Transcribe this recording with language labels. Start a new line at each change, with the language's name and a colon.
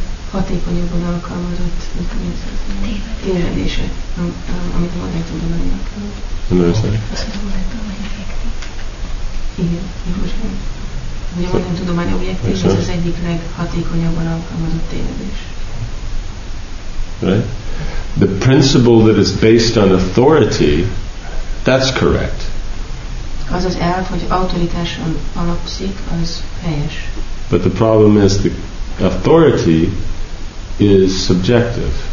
Hungarian: Hatékonyabban alkalmazott tévedése, amit a modern tudománynak. Igen, most. A modern tudomány objektív, ez az egyik leghatékonyabban alkalmazott tévedés.
English: Right? The principle that is based on authority, that's correct.
Hungarian: Az az elv, hogy autoritáson alapszik, az helyes.
English: But the problem is the authority is subjective.